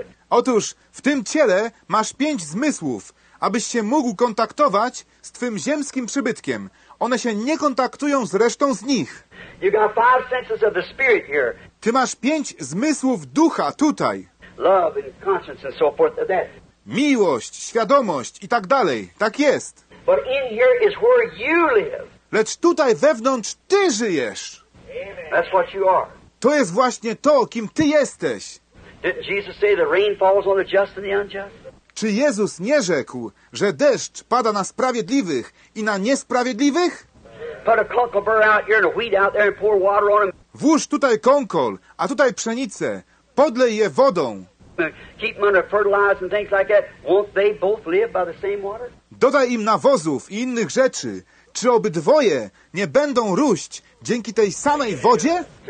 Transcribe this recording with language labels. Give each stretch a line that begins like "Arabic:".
Polish: Otóż w tym ciele masz pięć zmysłów, abyś się mógł kontaktować z twym ziemskim przybytkiem. One się nie kontaktują z resztą z nich.
English: You got five senses of the spirit here.
Polish: Ty masz pięć zmysłów ducha tutaj.
English: Love and conscience and so forth. That.
Polish: Miłość, świadomość i tak dalej. Tak jest.
English: But in here is where you live.
Polish: Lecz tutaj wewnątrz ty żyjesz.
English: That's what you are.
Polish: To jest właśnie to, kim ty jesteś.
English: Didn't Jesus say the rain falls on the just and the unjust?
Polish: Czy Jezus nie rzekł, że deszcz pada na sprawiedliwych i na niesprawiedliwych?
English: Put a kunkle burr out here and a wheat out there and pour water on them.
Polish: Włóż tutaj kąkol, a tutaj pszenicę. Podlej je wodą.
English: Keep them under fertilizer and things like that. Won't they both live by the same water?
Polish: Dodaj im nawozów i innych rzeczy. Czy obydwoje nie będą róść dzięki tej samej wodzie?